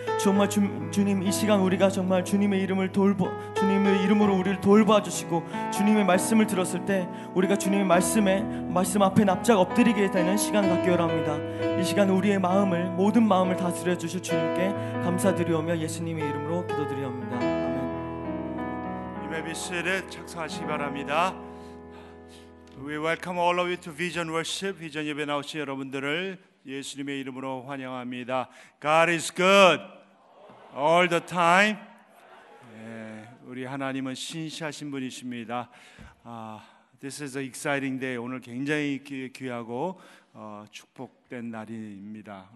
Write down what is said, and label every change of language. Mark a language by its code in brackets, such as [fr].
[ko] 정말 주님 이 시간 우리가 정말 주님의 이름으로 우리를 돌보아 주시고 주님의 말씀을 들었을 때 우리가 주님의 말씀 앞에 납작 엎드리게 되는 시간 갖기 원합니다. 이 시간 우리의 마음을 모든 마음을 다스려 주실 주님께 감사드리오며 예수님의 이름으로 기도드리옵니다. 예배시대 착석하시기 바랍니다. [en] We welcome all of you to Vision Worship. [ko] 비전 예배 나오신 여러분들을 예수님의 이름으로 환영합니다. [en] God is good all the time. [ko] 예, 우리 하나님은 신실하신 분이십니다. [en] This is an exciting day. [ko] 오늘 굉장히 귀하고 축복된 날입니다.